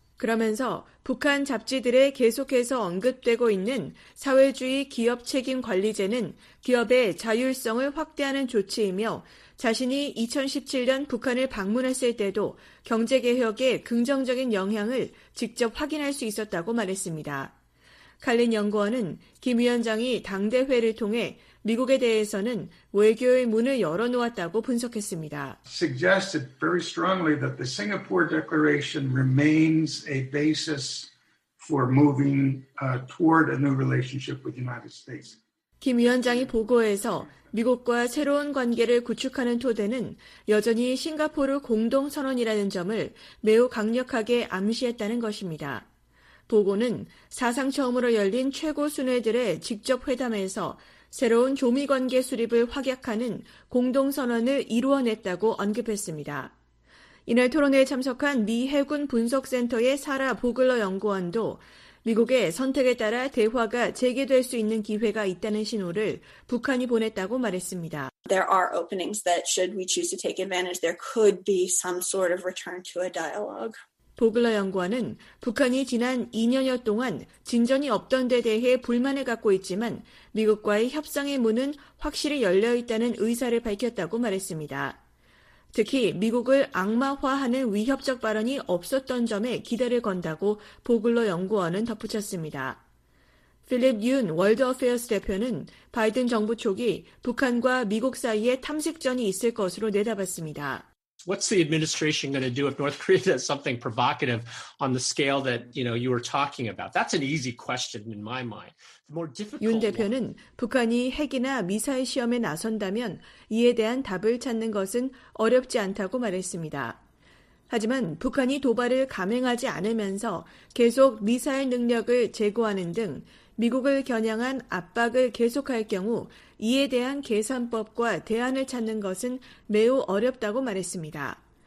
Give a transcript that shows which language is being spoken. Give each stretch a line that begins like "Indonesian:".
Korean: 그러면서 북한 잡지들에 계속해서 언급되고 있는 사회주의 기업 책임 관리제는 기업의 자율성을 확대하는 조치이며 자신이 2017년 북한을 방문했을 때도 경제개혁에 긍정적인 영향을 직접 확인할 수 있었다고 말했습니다. 칼린 연구원은 김 위원장이 당대회를 통해 미국에 대해서는 외교의 문을 열어놓았다고 분석했습니다.
English: Suggested very strongly that the Singapore Declaration remains a basis for moving toward a new relationship with the United States.
Korean: 김 위원장이 보고에서 미국과 새로운 관계를 구축하는 토대는 여전히 싱가포르 공동선언이라는 점을 매우 강력하게 암시했다는 것입니다. 보고는 사상 처음으로 열린 최고 순회들의 직접 회담에서 새로운 조미관계 수립을 확약하는 공동선언을 이루어냈다고 언급했습니다. 이날 토론회에 참석한 미 해군 분석센터의 사라 보글러 연구원도 미국의 선택에 따라 대화가 재개될 수 있는 기회가 있다는 신호를 북한이 보냈다고 말했습니다.
English: There are openings that should we choose to take advantage, there could be some sort of return to a dialogue.
Korean: 보글러 연구원은 북한이 지난 2년여 동안 진전이 없던 데 대해 불만을 갖고 있지만 미국과의 협상의 문은 확실히 열려 있다는 의사를 밝혔다고 말했습니다. 특히 미국을 악마화하는 위협적 발언이 없었던 점에 기대를 건다고 보글러 연구원은 덧붙였습니다. 필립 윤 월드어페어스 대표는 바이든 정부 초기 북한과 미국 사이에 탐색전이 있을 것으로 내다봤습니다.
English: What's the administration going to do if North Korea does something provocative on the scale that, you know, you were talking about? That's an easy question in my mind. The more difficult
Korean: 윤 대표는 북한이 핵이나 미사일 시험에 나선다면 이에 대한 답을 찾는 것은 어렵지 않다고 말했습니다. 하지만 북한이 도발을 감행하지 않으면서 계속 미사일 능력을 제고하는 등 미국을 겨냥한 압박을 계속할 경우 이에 대한 개선법과 대안을 찾는 것은 매우 어렵다고 말했습니다.